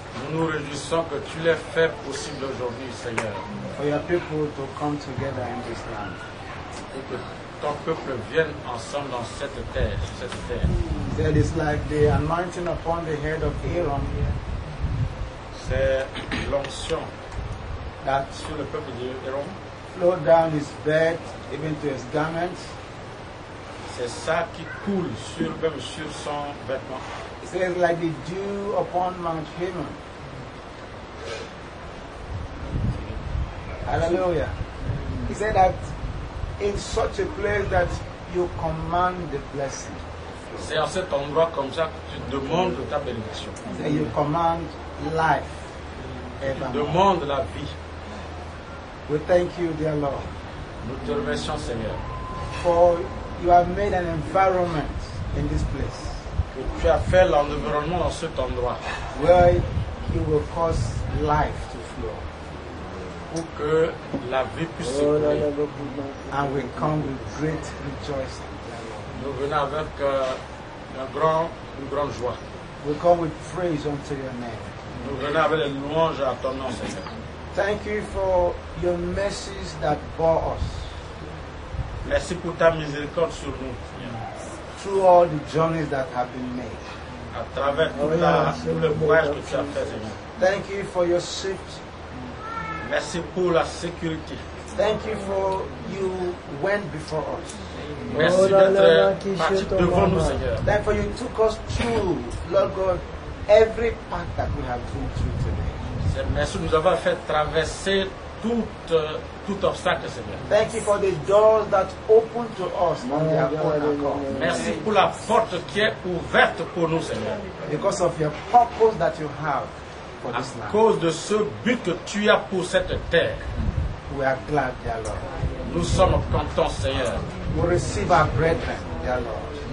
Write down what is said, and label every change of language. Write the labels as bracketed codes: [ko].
[fr] Nous nous réjouissons que tu l'aies fait possible aujourd'hui, Seigneur. [en] For your people to come together in this land. [fr] Pour que ton peuple vienne ensemble dans cette terre, cette terre. [en] That is like the anointing upon the head of Aaron. [fr] C'est l'onction [en] that [fr] sur le peuple de Aaron. [en] Flowed down his bed, even to his garments. [fr] C'est ça qui coule sur même sur son vêtement. [en] It says like the dew upon Mount Hermon. Hallelujah. He said that in such a place that you command the blessing. [fr] C'est en cet endroit comme ça que tu demandes ta bénédiction. [en] That you command life. Evermore. [fr] Demande la vie. [en] We thank you, dear Lord. [fr] Nous te remercions, Seigneur. [en] For you have made an environment in this place. [fr] Tu as fait l'environnement dans cet endroit. [en] Where he will cause life to flow. [fr] Pour que la vie puisse s'écouler. [en] And we come with great rejoicing. [fr] Nous venons avec une grande joie. [en] We come with praise unto your name. [fr] Nous venons avec les louanges à ton nom, Seigneur. [en] Thank you for your mercies that bore us. [fr] Merci pour ta miséricorde sur nous. [en] Through all the journeys that have been made. [fr] À travers tout le voyage que tu as fait, Seigneur. [en] Thank you for your safety. [fr] Merci pour la sécurité. [en] Thank you for you went before us. [fr] Merci d'être parti devant nous, Seigneur. [en] Thank you for you took us through, Lord God, every path that we have been through today. [fr] Merci, nous avons fait traverser tout obstacle, Seigneur. [en] Thank you for the doors that open to us. [fr] Merci pour la porte qui est ouverte pour nous, Seigneur. [en] Because of your purpose that you have for this land. [fr] À cause de ce but que tu as pour cette terre. [en] We are glad, dear Lord. [fr] Nous sommes contents, Seigneur. [en] We receive our brethren, dear Lord.